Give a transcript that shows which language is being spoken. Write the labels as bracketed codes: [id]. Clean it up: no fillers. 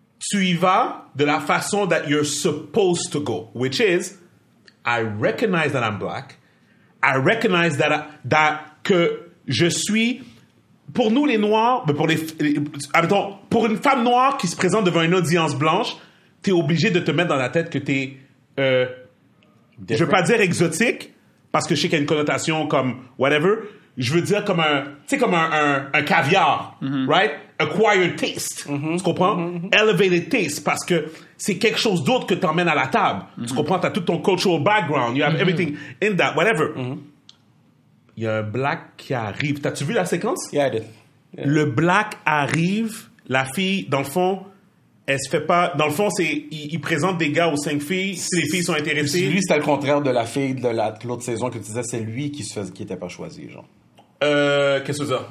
[en] Tu y vas de la façon that you're supposed to go, which is, I recognize that I'm black. [fr] I recognize que je suis. Pour nous, les Noirs, mais pour une femme noire qui se présente devant une audience blanche, t'es obligé de te mettre dans la tête que t'es, je veux pas dire exotique, parce que je sais qu'il y a une connotation comme whatever, je veux dire comme un caviar, right? Acquired taste, tu comprends? Elevated taste, parce que c'est quelque chose d'autre que t'emmènes à la table, tu comprends? [en] T'as tout ton cultural background, you have everything in that, whatever. [fr] Il y a un black qui arrive. T'as-tu vu la séquence? [en] Yeah, I did. Yeah. [fr] Le black arrive, la fille, dans le fond, elle se fait pas. Dans le fond, c'est. Il présente des gars aux cinq filles, si les filles sont intéressées. Lui, c'était le contraire de la fille de l'autre saison que tu disais, c'est lui qui était pas choisi, genre. Qu'est-ce que c'est ça?